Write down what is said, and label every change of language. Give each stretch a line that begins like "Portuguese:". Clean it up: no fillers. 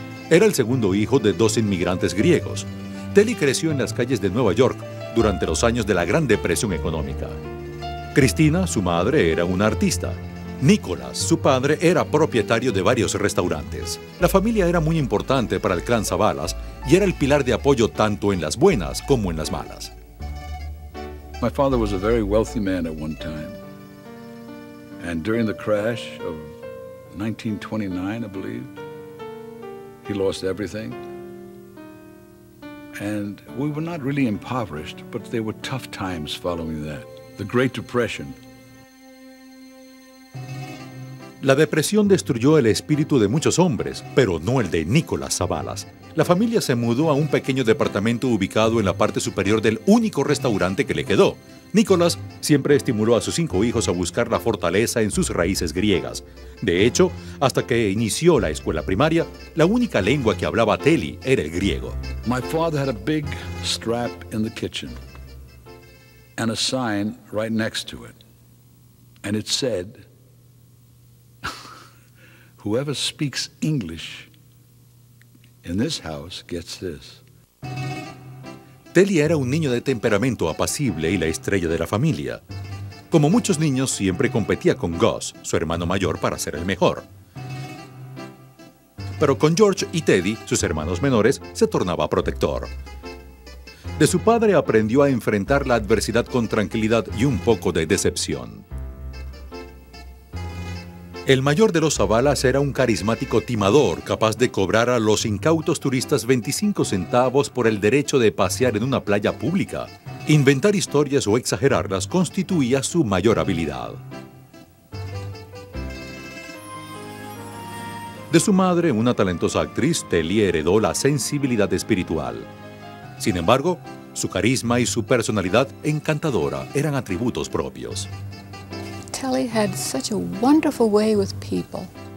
Spanish: Era el segundo hijo de dos inmigrantes griegos. Telly creció en las calles de Nueva York durante los años de la Gran Depresión Económica. Cristina, su madre, era una artista. Nicolás, su padre, era propietario de varios restaurantes. La familia era muy importante para el clan Savalas y era el pilar de apoyo tanto en las buenas como en las malas.
English: My father was a very wealthy man at one time. And during the crash of 1929, I believe, he lost everything. And we were not really impoverished, but there were tough times following that. The Great Depression.
Spanish: La depresión destruyó el espíritu de muchos hombres, pero no el de Nicolás Savalas. La familia se mudó a un pequeño departamento ubicado en la parte superior del único restaurante que le quedó. Nicolás siempre estimuló a sus 5 hijos a buscar la fortaleza en sus raíces griegas. De hecho, hasta que inició la escuela primaria, la única lengua que hablaba Telly era el griego.
English: My father had a big strap in the kitchen and a sign right next to it. And it said, whoever speaks English in this house gets this.
Spanish: Telly era un niño de temperamento apacible y la estrella de la familia. Como muchos niños, siempre competía con Gus, su hermano mayor, para ser el mejor. Pero con George y Teddy, sus hermanos menores, se tornaba protector. De su padre aprendió a enfrentar la adversidad con tranquilidad y un poco de decepción. El mayor de los Savalas era un carismático timador, capaz de cobrar a los incautos turistas 25 centavos por el derecho de pasear en una playa pública. Inventar historias o exagerarlas constituía su mayor habilidad. De su madre, una talentosa actriz, Telly heredó la sensibilidad espiritual. Sin embargo, su carisma y su personalidad encantadora eran atributos propios.
English: Telly had such a wonderful way with people.